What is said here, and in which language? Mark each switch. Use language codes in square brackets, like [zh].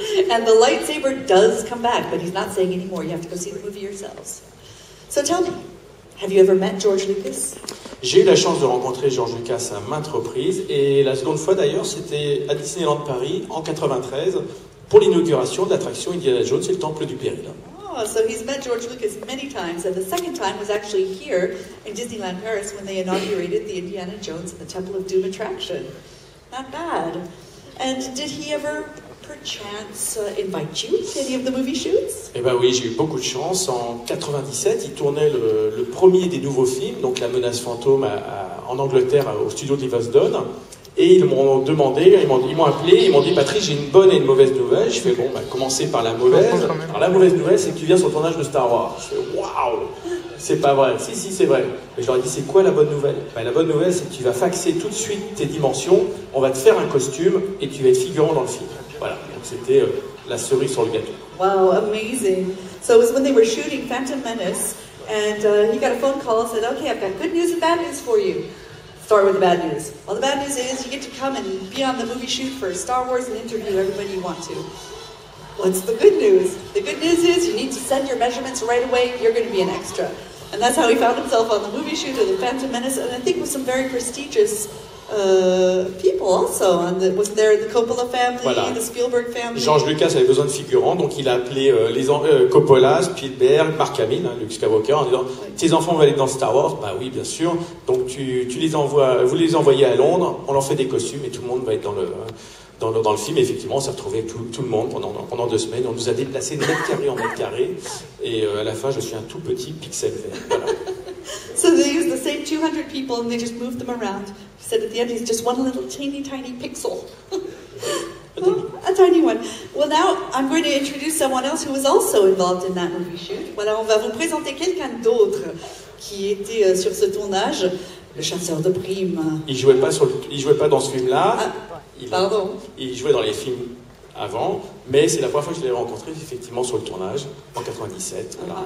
[en] And the lightsaber does come back, but he's not saying anymore. You have to go see the movie yourselves. So tell me, have you ever met George Lucas? [fr] J'ai eu la chance de rencontrer George Lucas à maintes reprises, et la seconde fois d'ailleurs, c'était à Disneyland Paris en 93 pour l'inauguration de l'attraction Indiana Jones et le Temple du Péril. [en] Oh, so he's met George Lucas many times, and the second time was actually here in Disneyland Paris when they inaugurated the Indiana Jones and the Temple of Doom attraction. Not bad. And did he ever, perchance, invite you to any of the movie shoots? [fr] Eh ben oui, j'ai eu beaucoup de chance. En 97, il tournait le premier des nouveaux films, donc La Menace Fantôme, en Angleterre, au studio d'Evasdon. Et ils m'ont appelé, ils m'ont dit « Patrick, j'ai une bonne et une mauvaise nouvelle ». Je fais « Bon, bah, commencer par la mauvaise ». Alors la mauvaise nouvelle, c'est que tu viens sur le tournage de Star Wars. Je fais « Waouh, c'est pas vrai ». Si, si, c'est vrai. Mais je leur ai dit « C'est quoi la bonne nouvelle ?» Bah, la bonne nouvelle, c'est que tu vas faxer tout de suite tes dimensions, on va te faire un costume et tu vas être figurant dans le film. Voilà, donc c'était la cerise sur le gâteau. [en] Wow, amazing. So it was when they were shooting Phantom Menace, and he got a phone call and said « Okay, I've got good news and bad news for you ». Start with the bad news. Well, the bad news is you get to come and be on the movie shoot for Star Wars and interview everybody you want to. What's the good news? The good news is you need to send your measurements right away. You're going to be an extra. And that's how he found himself on the movie shoot of The Phantom Menace, and I think with some very prestigious people also. Was there the Coppola family, [fr] voilà. [en] The Spielberg family? [fr] George Lucas avait besoin de figurants, donc il a appelé Coppola, Spielberg, Mark Hamill, hein, Luke Skywalker, en disant « Tes enfants vont aller dans Star Wars ?»« Bah oui, bien sûr. Donc vous les envoyez à Londres, on leur fait des costumes et tout le monde va être dans le film. » Effectivement, on s'est retrouvé tout le monde pendant deux semaines. On nous a déplacé de mètre carré en mètre carré. Et à la fin, je suis un tout petit pixel vert. Voilà. [en] So they used the same 200 people and they just moved them around. He said at the end he's just one little teeny tiny pixel. A tiny one. Well now I'm going to introduce someone else who was also involved in that movie shoot. [fr] Voilà, on va vous présenter quelqu'un d'autre qui était sur ce tournage, le chasseur de primes. Il jouait pas dans ce film-là. Pardon. Il jouait dans les films avant, mais c'est la première fois que je l'ai rencontré effectivement sur le tournage en 97. Voilà. Uh-huh.